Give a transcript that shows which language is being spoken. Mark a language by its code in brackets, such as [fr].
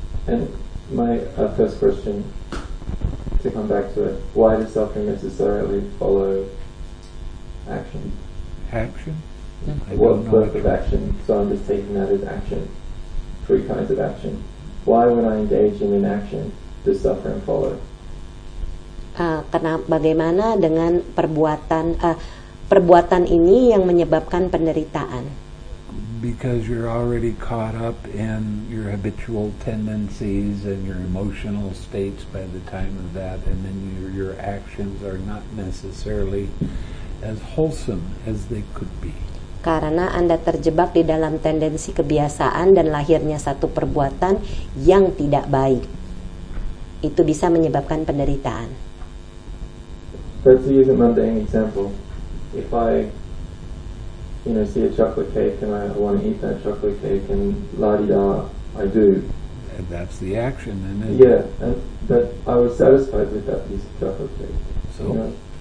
[en] And my first question, to come back to it, why does suffering necessarily follow action? Action? What birth of action? So I'm just taking that as action. Three kinds of action. Why, when I engage in an action, does suffering follow? [id] Bagaimana dengan perbuatan perbuatan ini yang menyebabkan penderitaan? [en] Because you're already caught up in your habitual tendencies and your emotional states by the time of that, and then your actions are not necessarily as wholesome as they could be. [id] Karena Anda terjebak di dalam tendensi kebiasaan dan lahirnya satu perbuatan yang tidak baik, itu bisa menyebabkan penderitaan. [en] Let's use a mundane example. If I, you know, see a chocolate cake and I want to eat that chocolate cake and la-di-da, I do. And that's the action, isn't it? Yeah, and that I was satisfied with that piece of chocolate cake. So, you know?